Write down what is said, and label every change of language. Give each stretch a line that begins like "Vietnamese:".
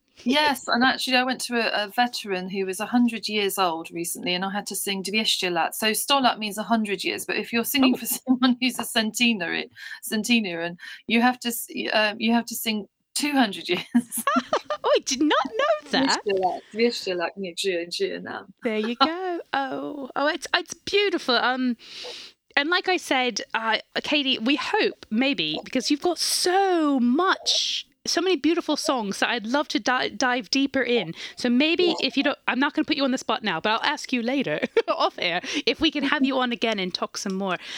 English: Yes, and actually I went to a veteran who was 100 years old recently and I had to sing
Polish: Dwieście lat.
English: So Stolat means 100 years, but if you're singing for someone who's a centenarian, you have to sing 200 years. Oh, I did not know that.
Polish: Dwieście lat, nie żyje nam.
English: There you go. Oh, it's beautiful. And like I said, Katie, we hope, maybe, because you've got so much so many beautiful songs that I'd love to dive deeper in. So maybe if you don't, I'm not going to put you on the spot now, but I'll ask you later off air if we can have you on again and talk some more.